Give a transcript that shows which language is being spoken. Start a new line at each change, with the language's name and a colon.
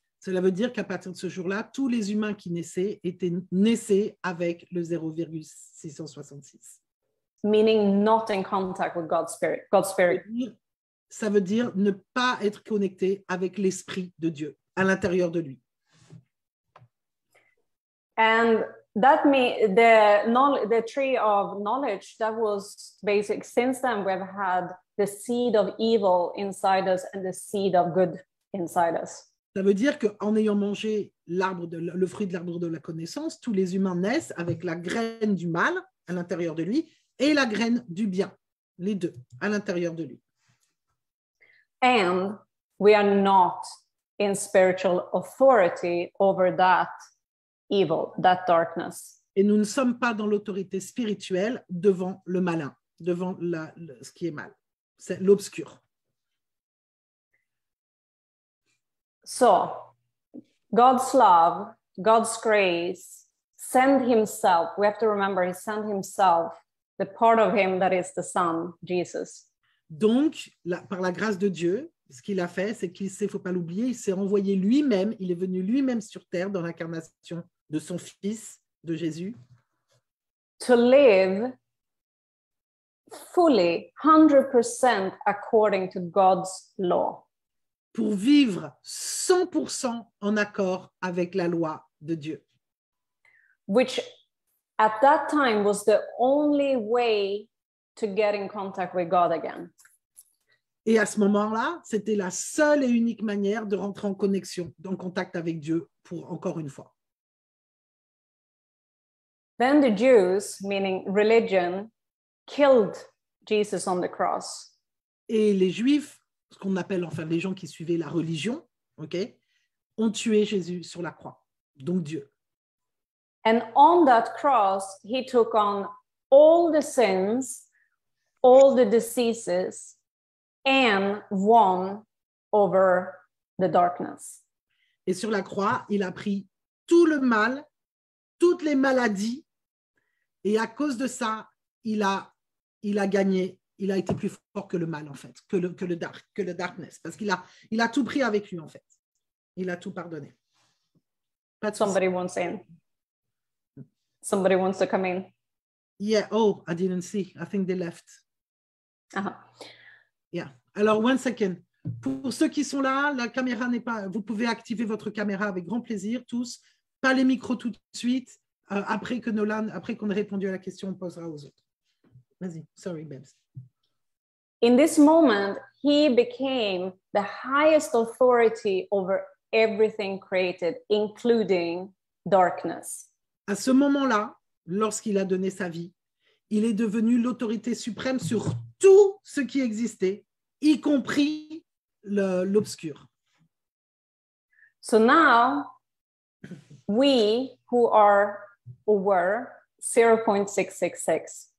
French: Cela veut dire qu'à partir de ce jour-là, tous les humains qui naissaient étaient naissés avec le 0,666.
English: Meaning not in contact with God's spirit. God's spirit.
French: Ça veut dire ne pas être connecté avec l'esprit de Dieu à l'intérieur de lui.
English: And that means the tree of knowledge that was basic. Since then, we've had the seed of evil inside us and the seed of good inside us.
French: Ça veut dire qu'en ayant mangé le fruit de l'arbre de la connaissance, tous les humains naissent avec la graine du mal à l'intérieur de lui et la graine du bien, les deux, à l'intérieur de lui.
English: And we are not in spiritual authority over that evil, that darkness.
French: Et nous ne sommes pas dans l'autorité spirituelle devant le malin, devant ce qui est mal, c'est l'obscur.
English: So, God's love, God's grace, send himself, we have to remember, he sent himself, the part of him that is the Son, Jesus.
French: Donc, par la grâce de Dieu, ce qu'il a fait, c'est qu'il ne faut pas l'oublier, il s'est envoyé lui-même, il est venu lui-même sur terre dans l'incarnation de son Fils, de Jésus.
English: To live fully, 100% according to God's law.
French: Pour vivre 100% en accord avec la loi de Dieu.
English: Which at that time was the only way to get in contact with God again.
French: Et à ce moment-là, c'était la seule et unique manière de rentrer en connexion, en contact avec Dieu pour encore une fois.
English: Then the Jews, meaning religion, killed Jesus on the cross.
French: Et les Juifs, ce qu'on appelle enfin les gens qui suivaient la religion, okay, ont tué Jésus sur la croix, donc Dieu.
English: And on that cross, he took on all the sins, all the diseases, and won over the darkness.
French: Et sur la croix, il a pris tout le mal, toutes les maladies, et à cause de ça, il a gagné, il a été plus fort que le mal, en fait, que le darkness, parce qu'il a tout pris avec lui, en fait. Il a tout pardonné. Pas de
English: Somebody
French: soucis.
English: Wants in. Somebody wants to come in. Yeah, oh, I didn't see. I think they left. Uh-huh. Yeah.
French: Alors,
English: one second.
French: Pour ceux qui sont là, la caméra n'est pas... Vous pouvez activer votre caméra avec grand plaisir, tous. Pas les micros tout de suite. Après qu'on ait répondu à la question, on posera aux autres. Vas-y.
English: Sorry, Babs. In this moment, he became the highest authority over everything created, including darkness.
French: À ce moment-là, lorsqu'il a donné sa vie, il est devenu l'autorité suprême sur tout ce qui existait, y compris l'obscur.
English: So now, we who are or were 0.666.